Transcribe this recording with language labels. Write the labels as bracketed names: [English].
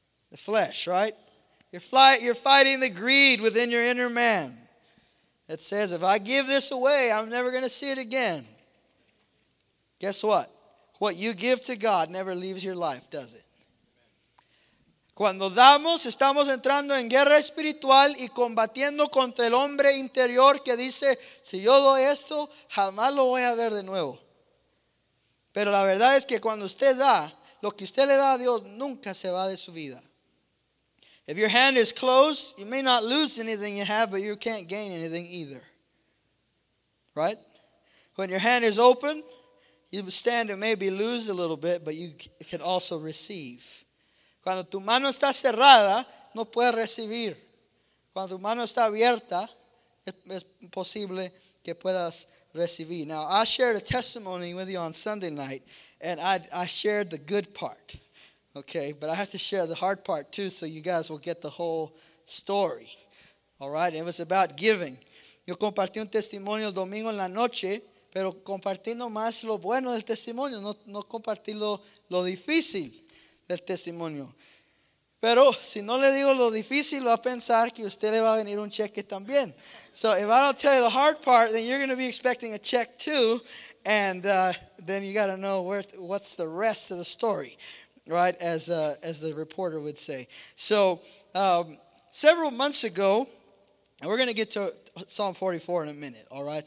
[English] The flesh, right? You're fighting the greed within your inner man. It says, if I give this away, I'm never going to see it again. Guess what? What you give to God never leaves your life, does it? [Spanish] Cuando damos, estamos entrando en guerra espiritual y combatiendo contra el hombre interior que dice, si yo doy esto, jamás lo voy a ver de nuevo. Pero la verdad es que cuando usted da, lo que usted le da a Dios nunca se va de su vida. [English] If your hand is closed, you may not lose anything you have, but you can't gain anything either. Right? When your hand is open, you stand and maybe lose a little bit, but you can also receive. [Spanish] Cuando tu mano está cerrada, no puedes recibir. Cuando tu mano está abierta, es posible que puedas recibir. [English] Now, I shared a testimony with you on Sunday night, and I shared the good part. Okay, but I have to share the hard part too so you guys will get the whole story. All right, it was about giving. [Spanish] Yo compartí un testimonio el domingo en la noche, pero compartí nomás lo bueno del testimonio, no compartí lo difícil del testimonio. Pero si no le digo lo difícil, va a pensar que usted le va a venir un cheque también. [English] So if I don't tell you the hard part, then you're going to be expecting a check too, and then you got to know what's the rest of the story. Right, as the reporter would say. So, several months ago, and we're going to get to Psalm 44 in a minute, all right?